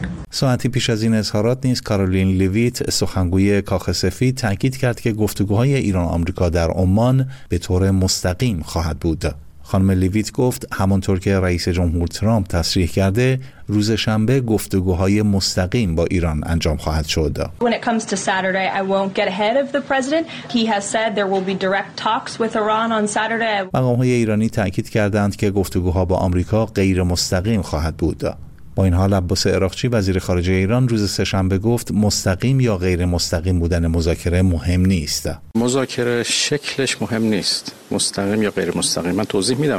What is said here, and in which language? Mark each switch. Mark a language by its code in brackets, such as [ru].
[fa] ساعتی پیش از این اظهارات نیز کارولین لویت سخنگوی کاخ سفید تاکید کرد که گفتگوهای ایران و آمریکا در عمان به طور مستقیم خواهد بود. خانم لویت گفت همانطور که رئیس جمهور ترامپ تصریح کرده، روز شنبه گفتگوهای مستقیم با ایران انجام خواهد شد. [en] When it comes to Saturday, I won't get ahead of the president. He has said there will be direct talks with Iran on Saturday. [fa] مقام‌های ایرانی تأکید کردند که گفتگوها با آمریکا غیر مستقیم خواهد بود. با این حال عباس عراقچی وزیر خارجه ایران روز سه‌شنبه گفت مستقیم یا غیر مستقیم بودن مذاکره مهم نیست. مذاکره شکلش مهم نیست، مستقیم یا غیر مستقیم. من توضیح میدم.